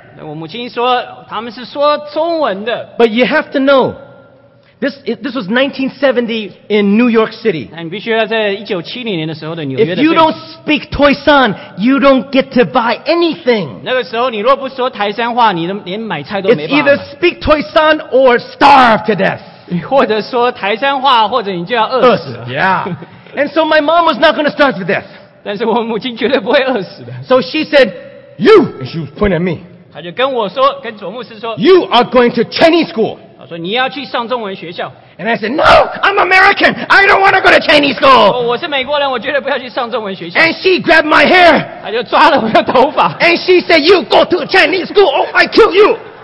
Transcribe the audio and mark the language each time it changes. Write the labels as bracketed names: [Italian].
[Chinese] 我母亲说他们是说中文的。 [English] But you have to know,This was 1970 in New York City. [Chinese] 你必须要在1970年的时候的纽约。 [English] If you don't speak Thoi San, you don't get to buy anything. [Chinese] 那个时候，你若不说台山话，你连买菜都没办法。 [English] It's either speak Thoi San or starve to death. [Chinese] 或者说台山话，或者你就要饿死。 [English] Yeah. And so my mom was not going to starve to death. [Chinese] 但是我母亲绝对不会饿死的。 [English] So she said, "You," and she pointed at me. [Chinese] 她就跟我说，跟左牧师说 [English] ，"You are going to Chinese school." [Chinese] 说你要去上中文学校 [English] ，and I said no, I'm American, I don't want to go to Chinese school. [Chinese] 我是美国人，我绝对不要去上中文学校。 [English] And she grabbed my hair. [Chinese] 她就抓了我的头发。 [English] And she said, "You go to Chinese school, or I kill you."